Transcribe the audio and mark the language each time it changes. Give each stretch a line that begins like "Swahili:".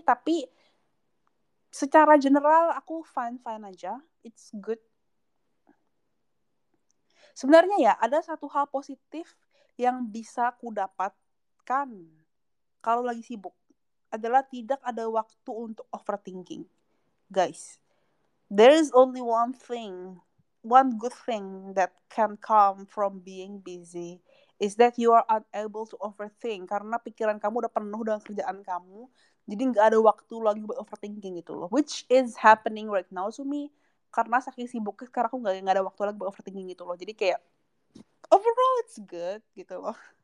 Indonesian: Tapi secara general aku fine-fine aja.
English: It's good.
Indonesian: Sebenarnya ya, ada satu hal positif yang bisa ku dapatkan kalau lagi sibuk. Adalah tidak ada waktu untuk overthinking.
English: Guys, there is only one thing, one good thing that can come from being busy is that you are unable to overthink.
Indonesian: Karena pikiran kamu udah penuh dengan kerjaan kamu, jadi gak ada waktu lagi buat overthinking gitu loh.
English: Which is happening right now to me.
Indonesian: Karena saking sibuknya sekarang aku gak ada waktu lagi buat overthinking gitu loh. Jadi kayak,
English: overall it's good
Indonesian: gitu loh.